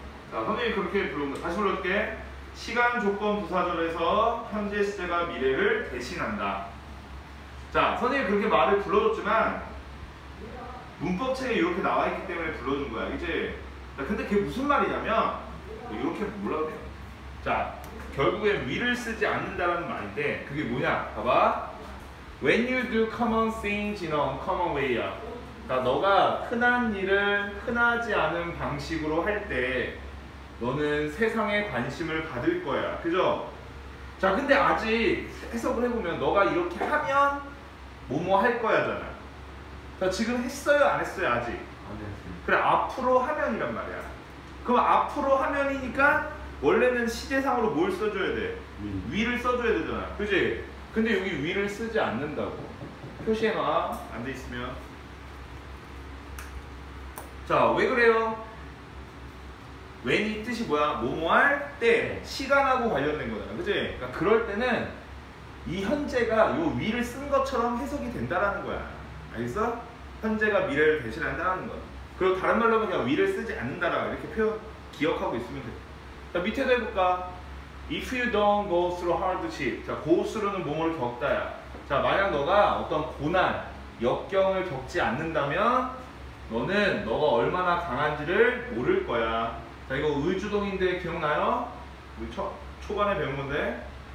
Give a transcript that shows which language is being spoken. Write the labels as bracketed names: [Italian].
[Korean] 자, 선생님이 그렇게 부르면 다시 불러줄게. 시간 조건 부사절에서 현재 시제가 미래를 대신한다. 자, 선생님이 그렇게 말을 불러줬지만 문법책에 이렇게 나와있기 때문에 불러준 거야, 이제. 근데 그게 무슨 말이냐면 이렇게 몰라도 돼요. 자, 결국에 will 쓰지 않는다는 말인데 그게 뭐냐? 봐봐. [English] When you do common things in a common way. [Korean] 그러니까 너가 흔한 일을 흔하지 않은 방식으로 할 때 너는 세상의 관심을 받을 거야, 그죠? 자, 근데 아직 해석을 해보면 너가 이렇게 하면 뭐뭐 할 거야잖아. 자, 지금 했어요? 안 했어요? 아직 안 했어요. 그래, 앞으로 하면이란 말이야. 그럼 앞으로 하면이니까 원래는 시제상으로 뭘 써줘야 돼? 위를 써줘야 되잖아, 그지? 근데 여기 위를 쓰지 않는다고 표시해놔, 안 돼 있으면. 자, 왜 그래요? when이 뜻이 뭐야? 뭐뭐할 때, 시간하고 관련된 거잖아, 그지? 그러니까 그럴 때는 이 현재가 요 위를 쓴 것처럼 해석이 된다라는 거야, 알겠어? 현재가 미래를 대신한다는 거야. 그리고 다른 말로 하면 그냥 will을 쓰지 않는다라 이렇게 표현 기억하고 있으면 돼. 자, 밑에도 해볼까? [English] If you don't go through hardship. [Korean] 자, go through는 뭐뭐를 겪다야. 자, 만약 너가 어떤 고난, 역경을 겪지 않는다면 너는 너가 얼마나 강한지를 모를 거야. 자, 이거 의주동인데 기억나요? 우리 초반에 배운 건데.